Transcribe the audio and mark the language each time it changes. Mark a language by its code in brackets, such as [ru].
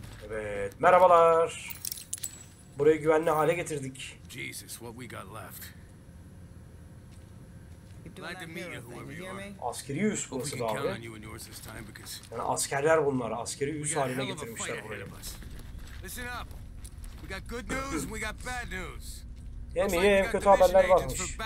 [tr] Evet, merhabalar. Burayı güvenli hale getirdik. [en] Jesus, what we got left. [tr] Askeri üs burası da abi. Yani askerler bunlar, askeri üs haline getirmişler burayı. [en] Listen up. We got good news, we got bad news. [tr] Hem iyi hem kötü haberler varmış.